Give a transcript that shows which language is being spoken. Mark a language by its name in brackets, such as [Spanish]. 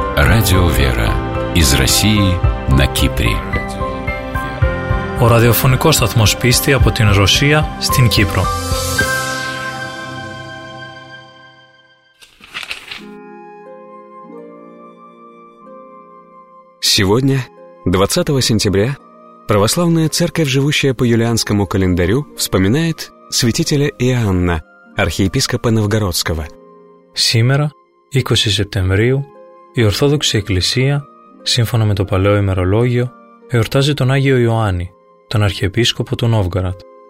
[Russian] Радио «Вера» из России на Кипре. [Greek] Ο ραδιοφωνικός σταθμός πίστη από την Ρωσία στην Κύπρο. [Russian] Сегодня, 20 сентября, православная церковь, живущая по юлианскому календарю, вспоминает святителя Иоанна, архиепископа Новгородского. Сегодня, 20 сентября, [Greek] η Ορθόδοξη Εκκλησία, σύμφωνα με το παλαιό ημερολόγιο, εορτάζει τον Άγιο Ιωάννη, τον Αρχιεπίσκοπο του Νόβγαρατ.